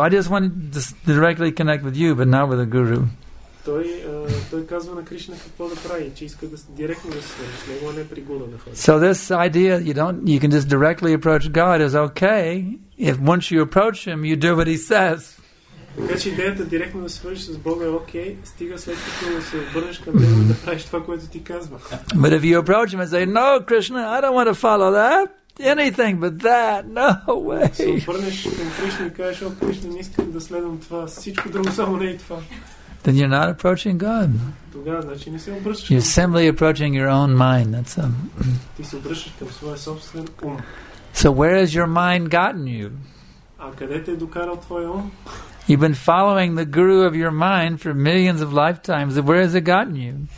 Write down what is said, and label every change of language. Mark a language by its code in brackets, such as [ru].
[en] I just want to directly connect with you, but not with a guru. So this idea you can just directly approach God is okay. If once you approach him, you do what he says. [bg] Така че идеята директно да свържиш с Бога е окей, стига след като да се обърнеш към Него да правиш това, което ти казвах. [en] But if you approach him and say, no, Krishna, I don't want to follow that, anything but that, no way. [bg] Се обърнеш към Кришна и кажеш, о, Кришна, не искам да следвам това, всичко друго само не е това. [en] Then you're not approaching God. [bg] Тогава, значи не се обръщаш. [en] You're simply approaching your own mind. That's a... [bg] Ти се обръщаш към своя собствен ум. [en] So where has your mind gotten you? [bg] А къде те е докарал твой ум? [en] You've been following the guru of your mind for millions of lifetimes. Where has it gotten you?